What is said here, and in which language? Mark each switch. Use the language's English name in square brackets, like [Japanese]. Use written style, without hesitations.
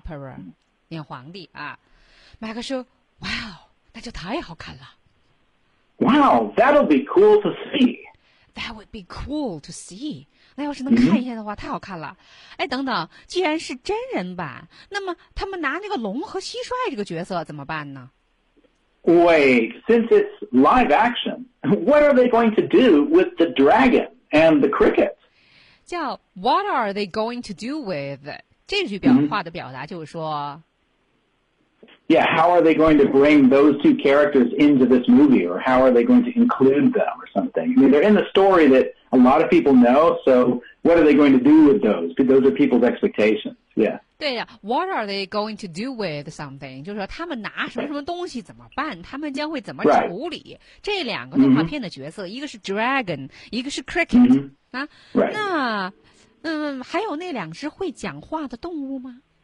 [Chinese] Emperor, 演皇帝啊。麦克说 ,Wow, 那就太好看了。 [English] Wow, that'll be cool to see. That would be cool to see. [Chinese] 那要是能看一下的话，太好看了。哎，等等，既然是真人版，那么他们拿那个龙和蟋蟀这个角色怎么办呢？ [English] Wait, since it's live action, what are they going to do with the dragon and the cricket? 叫 what are they going to do with? [Chinese] 这句表话的表达就是说 [English] Yeah, how are they going to bring those two characters into this movie? Or how are they going to include them or something? I mean, they're in the story that a lot of people know, so what are they going to do with those? Because those are people's expectations, yeah. [Chinese] 对呀 [English] ,what are they going to do with something? [Chinese] 就是说他们拿什么什么东西怎么办他们将会怎么处理、 [English] right. [Chinese] 这两个动画片的角色、一个是 dragon, 一个是 cricket,、啊 [English] right. [Chinese] 那还有那两只会讲话的动物吗